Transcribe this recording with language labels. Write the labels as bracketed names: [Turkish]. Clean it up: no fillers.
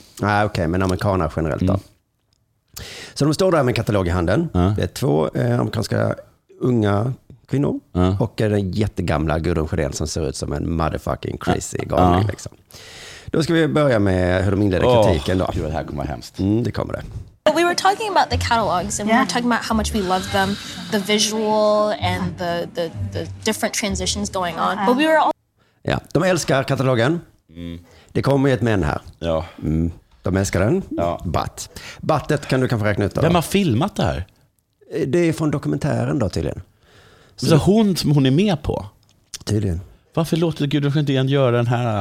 [Swedish] Nej, okej, men amerikaner generellt då. Så de står där med en katalog i handen. Ja. Det är två amerikanska unga kvinnor och den jättegamla Gudrun Sjödén som ser ut som en [English] motherfucking crazy [Swedish] galning. Ja. Liksom. Då ska vi börja med hur de inleder kritiken då. Gud, det här kommer vara hemskt. Mm, det kommer det. [English] But we were talking about the catalogs and we were talking about how much we love them, the visual and the different transitions going on. But we were all... [Swedish] Ja, de älskar katalogen. Det kommer ju ett män här. Ja. Mm. De älskar den, ja. Buttet kan du kanske räkna ut då. Vem har filmat det här? Det är från dokumentären då tydligen. Så hon som hon är med på? Tydligen. Varför låter Gudrun Sjödén göra den här?